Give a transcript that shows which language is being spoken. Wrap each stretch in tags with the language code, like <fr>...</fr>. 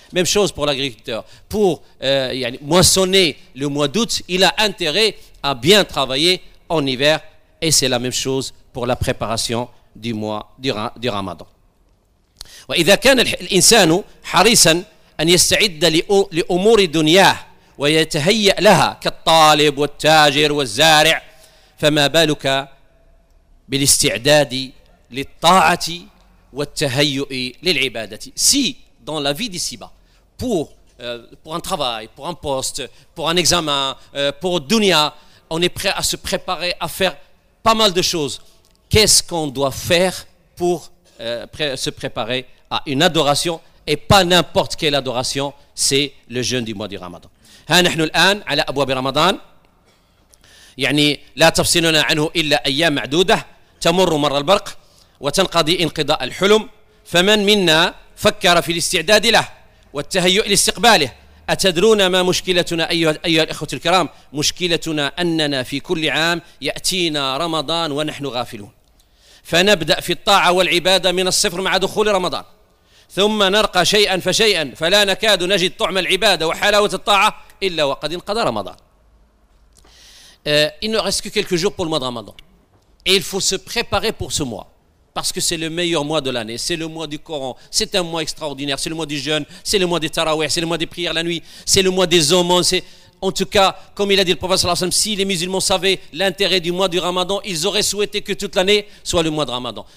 <fr>Même chose pour l'agriculteur, pour moissonner le mois d'août, il a intérêt à bien travailler en hiver, et c'est la même chose pour la préparation du mois du Ramadan.</fr> <ar>وإذا كان الإنسان حريصا أن يستعد لأمور الدنيا ويتهيأ لها كالطالب والتاجر والزارع، فما بالك بالاستعداد للطاعة والتهيؤ للعبادة.</ar> <fr>Si dans la vie d'ici-bas, pour un travail, pour un poste, pour un examen, pour dunya, on est prêt à se préparer, à faire pas mal de choses, qu'est-ce qu'on doit faire pour se préparer à une adoration, et pas n'importe quelle adoration, c'est le jeûne du mois du Ramadan.</fr> <ar>Ha nahnu al-an ala abwab Ramadan. يعني لا تفصلنا عنه الا ايام معدوده تمر مر البرق وتنقضي انقضاء الحلم، فمن منا فكر في الاستعداد له والتهيؤ لاستقباله؟ اتدرون ما مشكلتنا ايها الاخوه الكرام؟ مشكلتنا اننا في كل عام ياتينا رمضان ونحن غافلون، فنبدأ في الطاعة والعبادة من الصفر مع دخول رمضان، ثم نرقى شيئا فشيئا، فلا نكاد نجد طعم العبادة وحلاوة الطاعة إلا وقد انقضى رمضان.</ar> <fr>Il ne reste que quelques jours pour le mois de Ramadan. Et il faut se préparer pour ce mois. Parce que c'est le meilleur mois de l'année. C'est le mois du Coran. C'est un mois extraordinaire. C'est le mois du jeûne. C'est le mois des tarawih. C'est le mois des prières la nuit. C'est le mois des aumônes. En tout cas, comme il a dit le prophète, si les musulmans savaient l'intérêt du mois du Ramadan, ils auraient souhaité que toute l'année soit le mois de Ramadan.</fr>